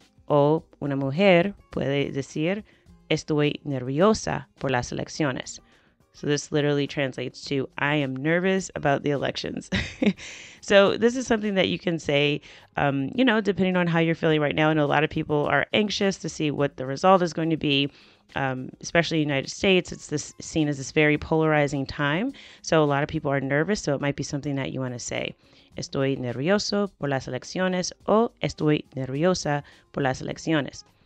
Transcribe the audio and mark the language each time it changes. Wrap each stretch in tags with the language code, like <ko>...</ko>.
<es>O una mujer puede decir, estoy nerviosa por las elecciones.</es> <en>So this literally translates to, I am nervous about the elections. So this is something that you can say, you know, depending on how you're feeling right now. I know a lot of people are anxious to see what the result is going to be, especially in the United States. It's this seen as this very polarizing time. So a lot of people are nervous. So it might be something that you want to say.</en> <es>Estoy nervioso por las elecciones o estoy nerviosa por las elecciones.</es>